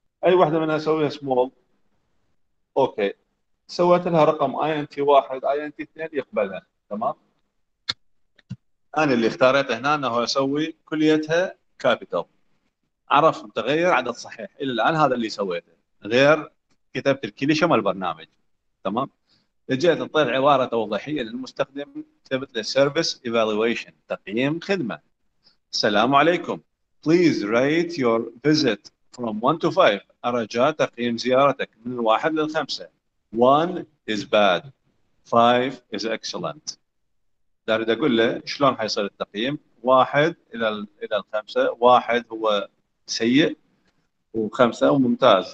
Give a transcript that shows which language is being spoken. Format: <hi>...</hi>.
<ar>اي واحده منها اسويها سمول اوكي، سويت لها رقم اي ان تي 1 اي ان تي 2 يقبلها، تمام؟ انا اللي اختاريت هنا انه اسوي كليتها كابيتال. عرف متغير عدد صحيح الى الان، هذا اللي سويته غير كتبت الكليشه مال البرنامج، تمام؟ جيت اطلع عباره توضيحيه للمستخدم، كتبت له</ar> <en>service evaluation</en> <ar>تقييم خدمه. السلام عليكم.</ar> <en>Please rate your visit from 1 to 5.</en> <ar>أرجاء تقييم زيارتك من 1 للـ5.</ar> <en>1 is bad. 5 is excellent.</en> <ar>داريد أقول له شلون حيصير التقييم؟ 1 إلى الـ5. 1 هو سيء و5 ممتاز.</ar>